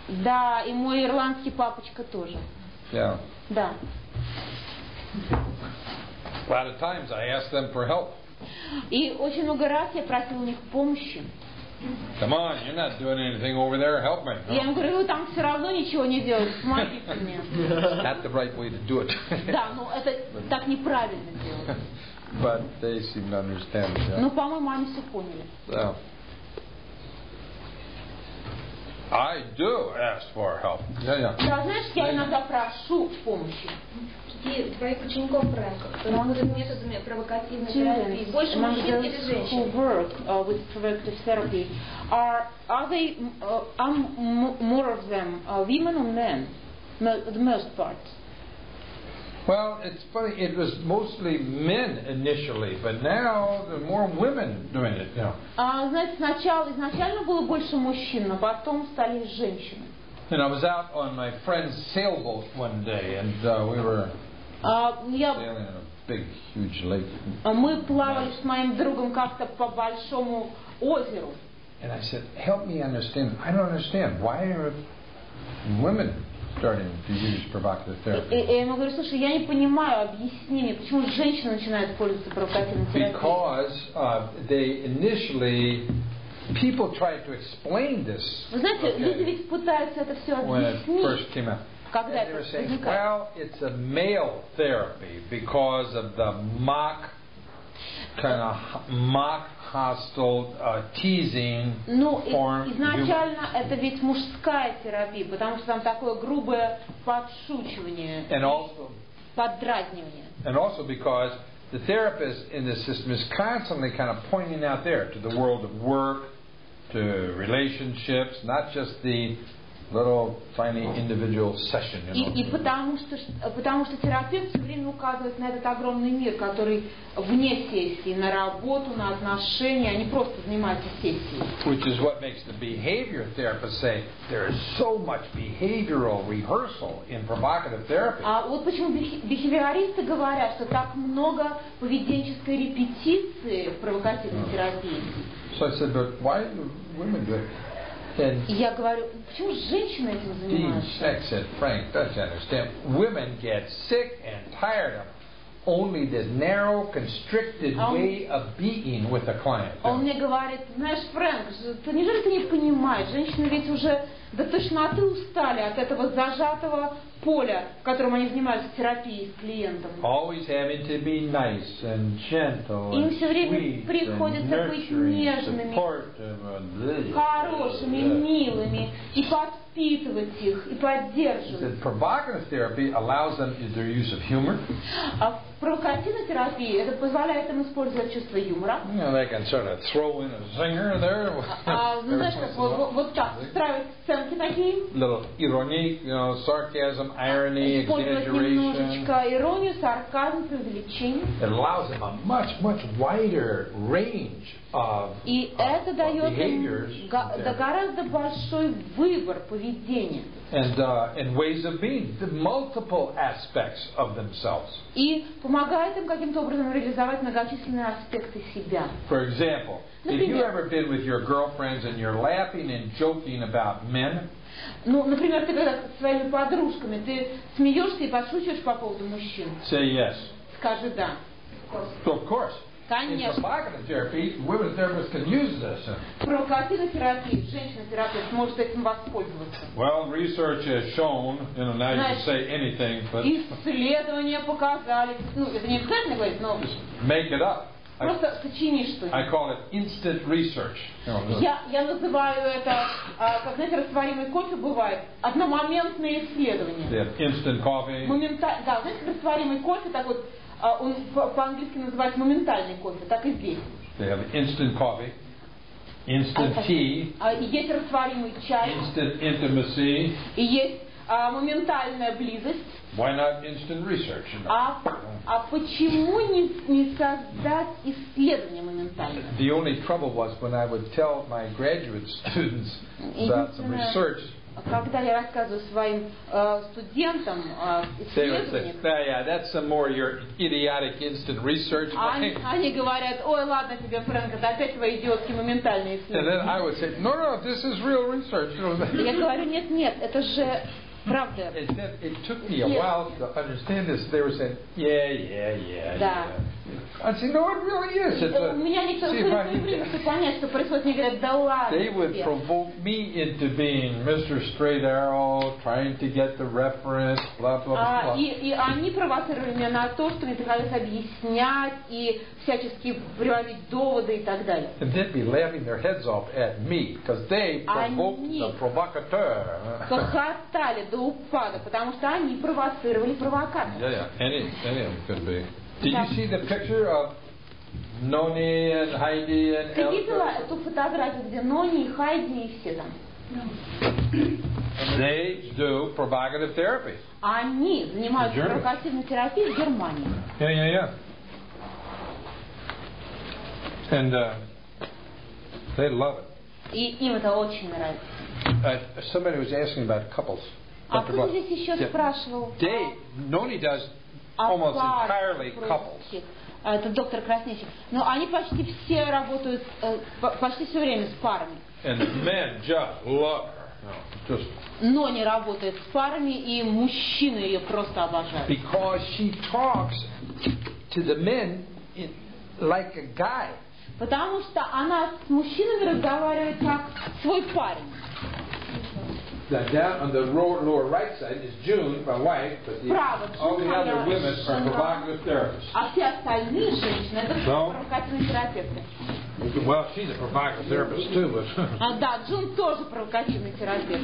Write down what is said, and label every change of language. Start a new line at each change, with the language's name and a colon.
Russian: Да, и мой ирландский папочка тоже.
English: Yeah.
Russian: Да.
English: A lot of times I ask them for help.
Russian: И очень много раз я просил у них помощи.
English: Come on, you're not doing anything over there. Help me.
Russian: Я ему говорю, там все равно ничего не делаешь. Смотри ко мне.
English: Not the right way to do it.
Russian: Да, ну это так неправильно делать.
English: But they seem to understand. Yeah.
Russian: Ну, по-моему, они все поняли.
English: I do ask for help. Yeah.
Russian: Да, знаешь, я иногда прошу помощи. Твоих учеников проектов. Он занимается провокативной терапией. Больше мужчин или женщин?
English: Work with provocative therapy. Are they more of them women or men? The most part. Well, it's funny. It was mostly men initially, but now there are more women doing it.
Russian: Знаете, изначально было больше мужчин, но потом стали женщины.
English: And I was out on my friend's sailboat one day, and we were sailing in a big, huge lake.
Russian: Мы плавали с моим другом как-то по большому озеру.
English: And I said, "Help me understand. I don't understand. Why are women starting to use provocative therapy.
Russian: Я ему говорю, слушай, я не понимаю, объясни мне, почему женщины начинают пользоваться провокативной терапией?
English: Because they initially people try to explain this.
Russian: Вы знаете, люди ведь пытаются это все объяснить. Когда это возникает?
English: Well, it's a male therapy because of the mock. Kind of mock, hostile, teasing form.
Russian: Изначально это ведь мужская терапия, потому что там такое грубое подшучивание, поддразнивание.
English: And also because the therapist in the system is constantly kind of pointing out there to the world of work, to relationships, not just the little tiny individual session.
Russian: И потому что терапевт все время указывает на этот огромный мир, который вне сессии, на работу, на отношения, они просто занимаются сессией.
English: Which is what makes the behavior therapist say there is so much behavioral rehearsal in provocative therapy.
Russian: А вот почему бихевиористы говорят, что так много поведенческой репетиции в провокативной терапии.
English: So I said, but why do women do it?
Russian: Я говорю, почему женщины этим занимаются?
English: Dean said, Frank, don't you understand? Women get sick and tired of only this narrow, constricted way of being with a client.
Russian: Он мне говорит, знаешь, Фрэнк, неужели ты не понимаешь? Женщины ведь уже до тошноты устали от этого зажатого поля, в котором они занимаются терапией с клиентом.
English: Always having to be nice and gentle.
Russian: Им все время приходится быть нежными, хорошими, милыми и подпитывать их и поддерживать.
English: Provocative therapy allows them their use of humor.
Russian: А провокативная терапия это позволяет им использовать чувство юмора.
English: They can sort of throw in a zinger there.
Russian: Вот так устраивать сценки такие.
English: Little irony, sarcasm. Irony, exaggeration.
Russian: Использовать немножечко иронию, сарказм, преувеличение.
English: It allows them a much, much wider range of behaviors.
Russian: Да гораздо большой выбор поведения.
English: And ways of being, the multiple aspects of themselves.
Russian: И помогает им каким-то образом реализовать многочисленные аспекты себя.
English: For example, if you ever been with your girlfriends and you're laughing and joking about men.
Russian: Ну, например, ты когда со своими подружками, ты смеешься и подшучиваешь по поводу мужчин.
English: Say yes.
Russian: Скажи да.
English: Of course.
Russian: Конечно.
English: In provocative therapy, women therapists can use this.
Russian: Провокативная терапия, женщина терапевт может этим воспользоваться.
English: Well, research has shown, now you can say anything, but.
Russian: Исследования показали, это не обязательно говорить, но.
English: Just make it up.
Russian: Просто сочини что-нибудь.
English: I call it instant research.
Russian: Я называю это, как знаете, растворимый кофе бывает, одномоментные исследования.
English: Instant coffee.
Russian: Да, знаете, растворимый кофе, так вот, он по-английски называется моментальный кофе, так и здесь.
English: They have instant coffee, instant tea.
Russian: И есть растворимый чай.
English: Instant intimacy.
Russian: И есть моментальная близость.
English: Why not instant research?
Russian: А почему не создать исследование моментально?
English: The only trouble was when I would tell my graduate students about some research.
Russian: Когда я рассказываю своим студентам исследования,
English: yeah, that's some more your idiotic instant research.
Russian: Они говорят, ой, ладно тебе, Фрэнк, это опять твои идиотские моментальные исследования.
English: And then I would say, no, this is real research.
Russian: Я говорю, нет, это же правда.
English: It took me a while to understand this. They were saying, yeah. I said, no, it really is. They would provoke me into being Mr. Straight Arrow, trying to get the reference, blah, blah, blah.
Russian: И они провоцировали меня на то, что мне приходилось объяснять и всячески приводить доводы и так далее.
English: And they'd be laughing their heads off at me, because they provoked the provocateur.
Russian: Хохотали до упада, потому что они провоцировали провокатор.
English: Any of them could be. Did you see the picture of Noni and Heidi and Elka?
Russian: Ты видела эту фотографию, где Нони, Хайди и все там?
English: They do provocative therapy.
Russian: Они занимаются провокативной терапией в Германии.
English: Yeah. And they love it.
Russian: И им это очень нравится.
English: Somebody was asking about couples.
Russian: А кто здесь еще спрашивал?
English: They, Noni does almost entirely couples.
Russian: Это доктор Краснечик. Но они почти все работают почти все время с парами.
English: And men just love her.
Russian: Но не работает с парами, и мужчины ее просто обожают.
English: Because she talks to the men like a guy.
Russian: Потому что она с мужчинами разговаривает как свой парень.
English: Down on the lower right side is June, my wife, but the,
Russian: Право,
English: all the other women are provocative therapists.
Russian: А все остальные женщины это провокативные терапевты.
English: Well, she's a provocative therapist too, but.
Russian: А да, Джун тоже провокативный терапевт.